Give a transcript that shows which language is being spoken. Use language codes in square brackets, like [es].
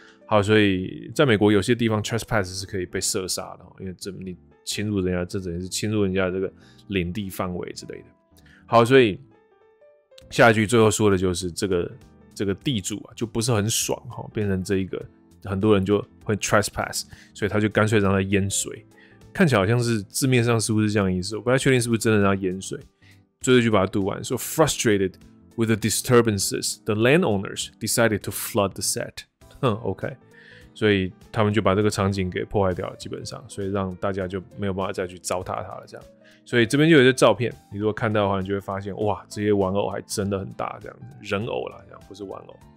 [zh] 好，所以在美国有些地方 trespass 是可以被射杀的，因为这你侵入人家，这等于是侵入人家这个领地范围之类的。好，所以下一句最后说的就是这个地主啊就不是很爽，变成这一个很多人就会 trespass， 所以他就干脆让他淹水。看起来好像是字面上是不是这样意思，我不太确定是不是真的让他淹水。最后一句把它读完，说 [en] frustrated with the disturbances, the landowners decided to flood the set. [zh] OK， 所以他们就把这个场景给破坏掉了，基本上，所以让大家就没有办法再去糟蹋它了。这样，所以这边就有一些照片，你如果看到的话，你就会发现，哇，这些玩偶还真的很大，这样人偶啦，这样不是玩偶。